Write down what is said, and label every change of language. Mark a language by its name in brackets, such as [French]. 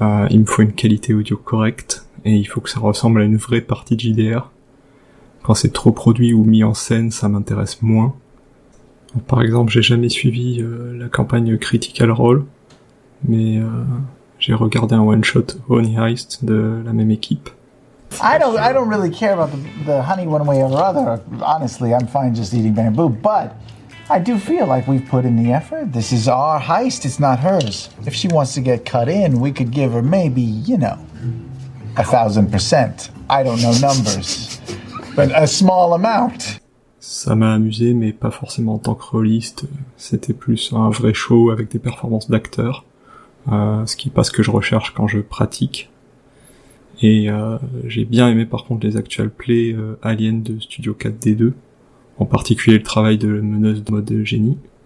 [French] Il me faut une qualité audio correcte, et il faut que ça ressemble à une vraie partie de JDR. Quand c'est trop produit ou mis en scène, ça m'intéresse moins. Donc, par exemple, j'ai jamais suivi la campagne Critical Role, mais... j'ai regardé un one-shot Honey Heist de la même équipe. [English] I don't really care about the honey one way or other. Honestly, I'm fine just eating bamboo. But I do feel like we've put in the effort. This is our heist, it's not hers. If she wants to get cut in, we could give her maybe, you know, 1000%. I don't know numbers. But a small amount. [French] Ça m'a amusé, mais pas forcément en tant que rôliste. C'était plus un vrai show avec des performances d'acteurs. Ce qui est pas ce que je recherche quand je pratique. Et j'ai bien aimé par contre les actual plays Alien de Studio 4D2, en particulier le travail de meneuse de mode génie.